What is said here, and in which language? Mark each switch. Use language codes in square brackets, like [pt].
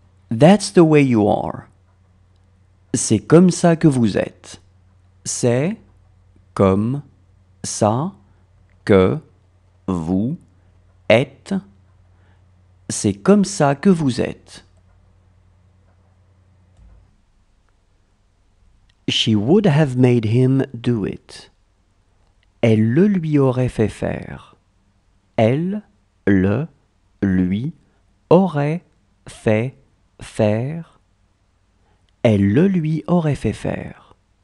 [en] That's the way you are. [fr] C'est comme ça que vous êtes. C'est comme ça que vous êtes. C'est comme ça que vous êtes. [en] She would have made him do it. [fr] Elle le lui aurait fait faire. Elle le lui aurait fait faire. Elle le lui aurait fait faire.